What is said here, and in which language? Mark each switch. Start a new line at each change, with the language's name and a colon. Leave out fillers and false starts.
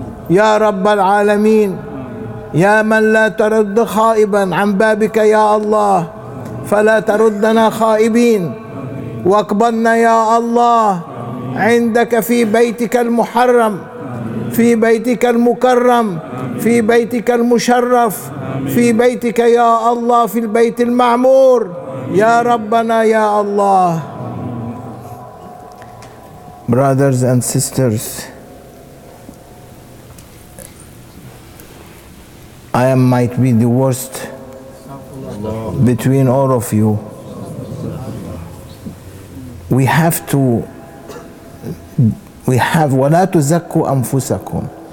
Arabic: يا رب العالمين, يا من لا ترد خائبا عن بابك يا الله, فلا تردنا خائبين, واقبلنا يا الله عندك في بيتك المحرم, في بيتك المكرم, في بيتك المشرف, في بيتك يا الله في البيت المعمور يا ربنا يا الله.
English: Brothers and sisters, I am might be the worst between all of you. We have
Arabic: ولا تزكوا أنفسكم.